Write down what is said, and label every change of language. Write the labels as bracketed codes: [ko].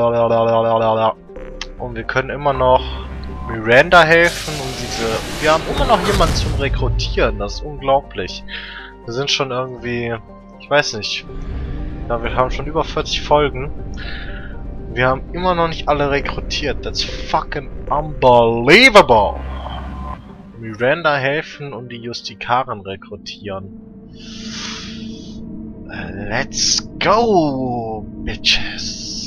[de] Und wir können immer noch Miranda helfen und diese. Wir haben immer noch jemanden zum Rekrutieren, das ist unglaublich. Wir sind schon irgendwie. Ich weiß nicht. Ja, wir haben schon über 40 Folgen. Wir haben immer noch nicht alle rekrutiert. [en] That's fucking unbelievable! [de] Miranda helfen und die Justikaren rekrutieren. [en] Let's go, bitches.